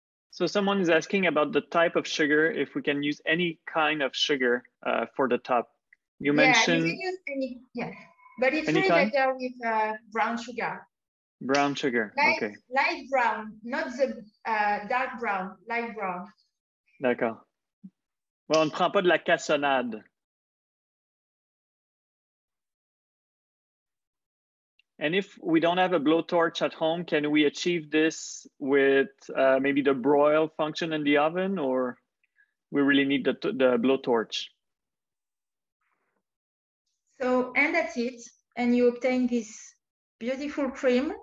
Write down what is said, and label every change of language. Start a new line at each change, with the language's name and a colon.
English: So someone is asking about the type of sugar, if we can use any kind of sugar for the top. You mentioned. Yeah, you can use any, yeah. But it's really better with brown sugar. Brown sugar, light brown, not the dark brown, light brown.
French: D'accord. Well, on ne prend pas de la cassonade.
English: And if we don't have a blowtorch at home, can we achieve this with maybe the broil function in the oven, or we really need the blowtorch? So, and that's it. And you obtain this beautiful cream.